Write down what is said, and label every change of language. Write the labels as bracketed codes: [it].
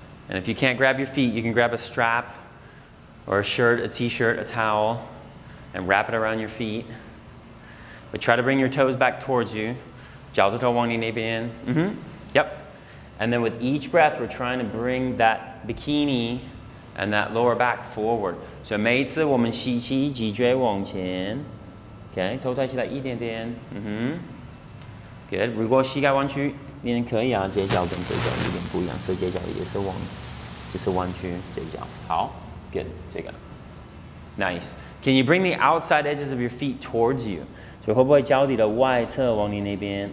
[en] And if you can't grab your feet, you can grab a strap or a shirt, a t-shirt, a towel, and wrap it around your feet. But try to bring your toes back towards you. [zh] 脚趾头往你那边.Yep. [en] And then with each breath, we're trying to bring that bikini and that lower back forward. [zh] So 每次我们吸气，脊椎往前。 Okay, 头抬起来一点点。Good. 如果膝盖弯曲，你也可以啊。这脚跟这脚有点不一样，所以这脚也是弯，也是弯曲。这脚好。Good. 这个。Nice. [en] Can you bring the outside edges of your feet towards you? [zh] 所以会不会脚底的外侧往你那边？